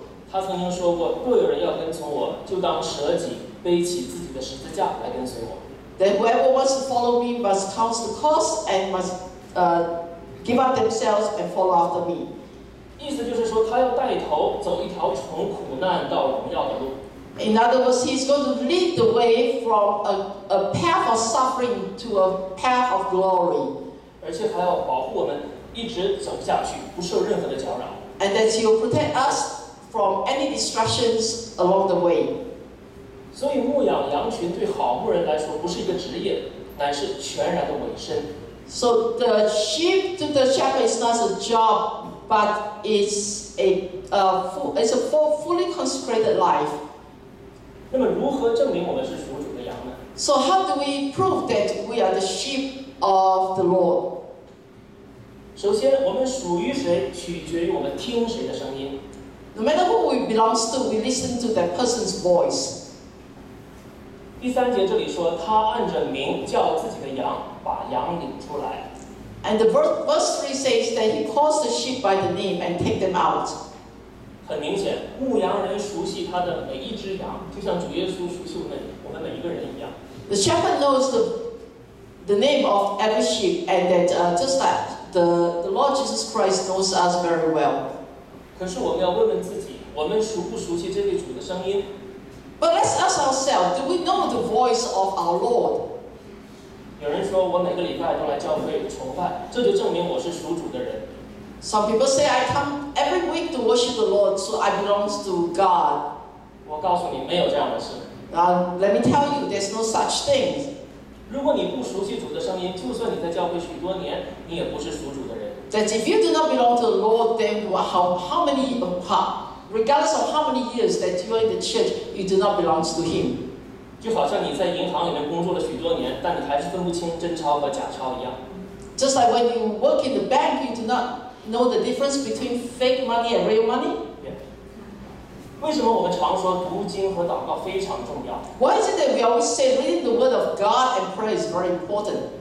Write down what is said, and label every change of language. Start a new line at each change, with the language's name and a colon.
Chinese: 他曾经说过，若有人要跟从我，就当舍己，背起自己的十字架来跟随我。
English: Then whoever wants to follow me must count the cost and must give up themselves and follow after me.
Chinese: 意思就是说，他要带头走一条从苦难到荣耀的路。
English: In other words, he's going to lead the way from a path of suffering to a path of glory.
Chinese: 而且还要保护我们一直走下去，不受任何的搅扰。
English: And that he will protect us from any distractions along the way.
Chinese: 所以牧养羊群对好牧人来说不是一个职业，乃是全然的委身。
English: So the sheep to the shepherd is not a job, but it's a fully consecrated life.
Chinese: 那么如何证明我们是属主的羊呢？
English: So how do we prove that we are the sheep of the Lord?
Chinese: 首先，我们属于谁取决于我们听谁的声音。
English: No matter who we belong to, we listen to that person's voice.
Chinese: 第三节这里说，他按着名叫自己的羊，把羊领出来。
English: And the verse 3 says that he calls the sheep by the name and take them out.
Chinese: 很明显，牧羊人熟悉他的每一只羊，就像主耶稣熟悉我们每一个人一样。
English: The shepherd knows the name of every sheep, and that just like the Lord Jesus Christ knows us very well.
Chinese: 可是我们要问问自己，我们熟不熟悉这位主的声音
English: ？But let's ask ourselves, do we know the voice of our Lord?
Chinese: 有人说我每个礼拜都来教会崇拜，这就证明我是属主的人。
English: Some people say I come every week to worship the Lord, so I belong to God.
Chinese: 我告诉你，没有这样的事。
English: Let me tell you, there's no such thing.
Chinese: 如果你不熟悉主的声音，就算你在教会许多年，你也不是属主的人。
English: That if you do not belong to the Lord, then regardless of how many years that you are in the church, you do not belong to Him.
Chinese: 就好像你在银行里面工作了许多年，但你还是分不清真钞和假钞一样。
English: Just like when you work in the bank, you do not. Know the difference between fake money and real money? Yeah.
Chinese: 为什么我们常说读经和祷告非常重要？
English: Why is it that we always say reading the word of God and prayer is very important?